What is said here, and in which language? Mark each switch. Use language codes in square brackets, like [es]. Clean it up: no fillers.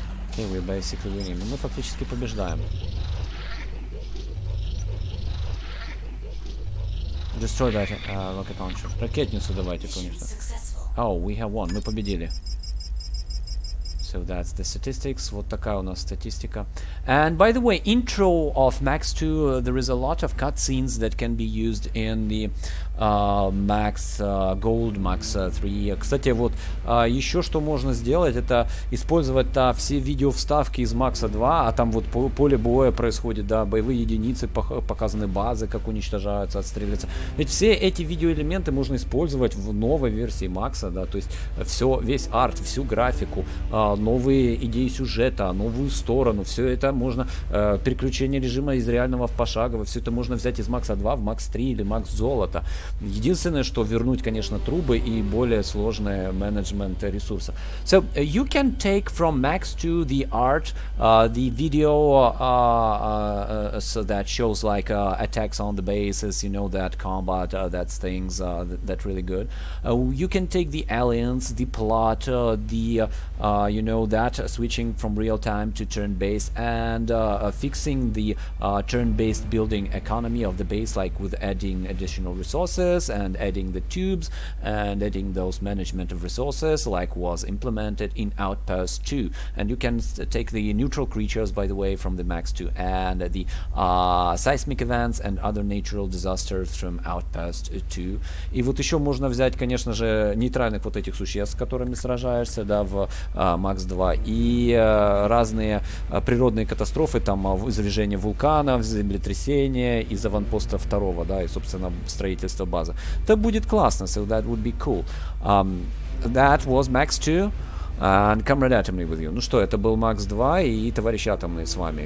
[en] Okay, we basically winning. [ru] Мы фактически побеждаем. [en] Destroy that rocket launcher. [ru] Ракетницу давайте, конечно. [en] Oh, we have won. [ru] Мы победили. [en] So that's the statistics. [ru] Вот такая у нас статистика. [en] And by the way, intro of Max 2, there is a lot of cutscenes that can be used in the Max Gold, Max 3. [ru] Кстати, вот еще что можно сделать, это использовать все видео-вставки из Max 2, а там вот поле боя происходит, да, боевые единицы, показаны базы, как уничтожаются, отстреливаются. Ведь все эти видеоэлементы можно использовать в новой версии Max, да, то есть все, весь арт, всю графику, новые идеи сюжета, новую сторону, все это можно, переключение режима из реального в пошагово, все это можно взять из Макса 2 в Макс 3 или Макс Золото. Единственное, что вернуть, конечно, трубы и более сложное менеджмент ресурса. [en] So, you can take from Max 2 the art, the video so that shows like attacks on the bases, you know, that combat, that's things that really good. You can take the aliens, the plot, you know, that switching from real time to turn-based and fixing the turn-based building economy of the base, like with adding additional resources and adding the tubes and adding those management of resources, like was implemented in Outpost 2. And you can take the neutral creatures, by the way, from the Max 2 and the seismic events and other natural disasters from Outpost 2. [ru] И вот еще можно взять, конечно же, нейтральных вот этих существ, с которыми сражаешься, да, в Макс 2, и разные природные катастрофы, там извержение вулканов, землетрясение из аванпоста второго, да, и, собственно, строительство базы. Это будет классно, [en] so that would be cool. That was Max 2 and Comrade Atomy with you. [ru] Ну что, это был Max 2 и товарищ Атомный с вами.